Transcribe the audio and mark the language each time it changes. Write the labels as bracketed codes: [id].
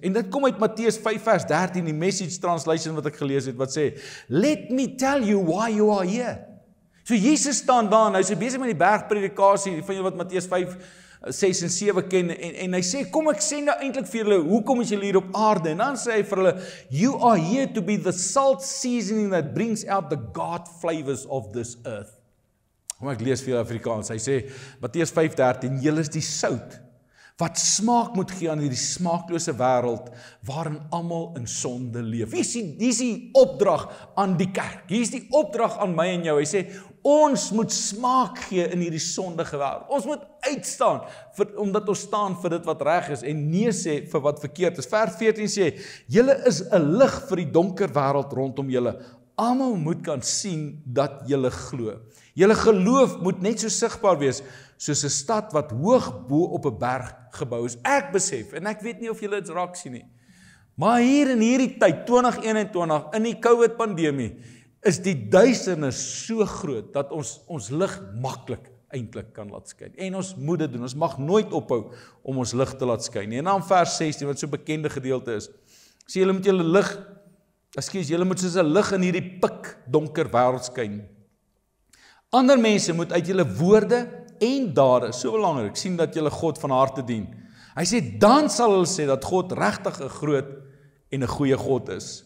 [af] En dit kom uit Matteus 5 vers 13, die Message Translation wat ek gelees het, wat sê, [en] let me tell you why you are here. [af] So Jesus staan daar, hy is besig met die bergpredikasie, van jy wat Matteus 5, 6 en 7 ken, en hy sê, kom ek sê nou eintlik vir hulle, hoekom is jy hier op aarde? En dan sê hy vir hulle, [en] you are here to be the salt seasoning that brings out the God flavors of this earth. [af] Kom, ek lees vir jou Afrikaans, hy sê, Matteus 5:13, jy is die sout, wat smaak moet gee aan die smaaklose wêreld, waarin allemaal in sonde leef. Hier is die opdrag aan die kerk, hier is die opdrag aan my en jou, hy sê, ons moet smaak gee in die sondige wêreld, ons moet uitstaan, omdat ons staan vir dit wat reg is, en nee sê vir wat verkeerd is. Vers 14 sê, jy is 'n lig vir die donker wêreld rondom jy, allemaal moet kan sien dat jy glo. Julle geloof moet net so sigbaar wees, soos 'n stad wat hoog bo op 'n berg gebou is. Ek besef, en ek weet nie of julle dit raak sien nie, maar hier in hierdie tyd, 2021, in die COVID-pandemie, is die duisternis so groot, dat ons lig maklik eintlik kan laat skyn. En ons moet dit doen, ons mag nooit ophou om ons lig te laat skyn. En dan vers 16, wat so bekende gedeelte is, sê julle moet julle lig, soos 'n lig in hierdie pik donker wêreld skyn. Ander mense moet uit julle woorde en dade, so belangrik, sien dat julle God van harte dien. Hy sê, dan sal hulle sê dat God regtig 'n groot en 'n goeie God is.